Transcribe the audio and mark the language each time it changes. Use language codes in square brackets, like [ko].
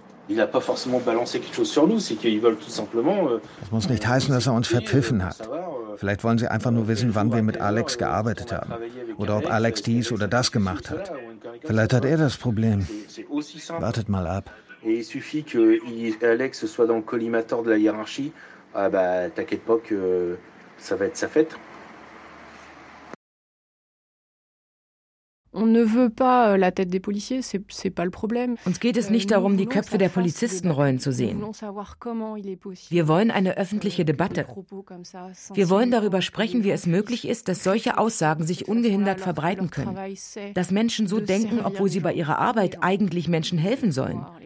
[fr] Il a pas forcément balancé quelque chose sur nous, c'est qu'ils veulent tout simplement. [de] Das muss nicht heißen, dass er uns verpfiffen hat. Vielleicht wollen sie einfach nur wissen, wann wir mit Alex gearbeitet haben. Oder ob Alex dies oder das gemacht hat. Vielleicht hat er das Problem. Wartet mal ab. [fr] Et il suffit que Alex soit dans le collimateur de la hiérarchie. Ah bah, t'inquiète pas que ça va être sa fête. On ne veut pas la tête des policiers, c'est pas le problème. [de] Uns geht es nicht darum, die Köpfe der Polizisten rollen zu sehen. Wir wollen eine öffentliche Debatte. Wir wollen darüber sprechen, wie es möglich ist, dass solche Aussagen sich ungehindert verbreiten können. Dass Menschen so denken, obwohl sie bei ihrer Arbeit eigentlich Menschen helfen sollen.